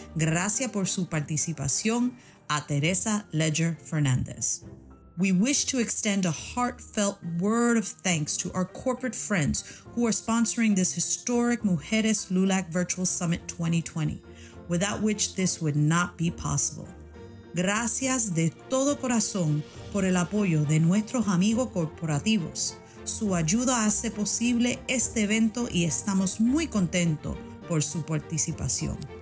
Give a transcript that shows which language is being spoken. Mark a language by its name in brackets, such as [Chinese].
[Spanish] Gracias por su participación a Teresa Ledger Fernandez. [English] We wish to extend a heartfelt word of thanks to our corporate friends who are sponsoring this historic Mujeres LULAC Virtual Summit 2020, without which this would not be possible. [Spanish] Gracias de todo corazón por el apoyo de nuestros amigos corporativos. Su ayuda hace posible este evento y estamos muy contentos por su participación.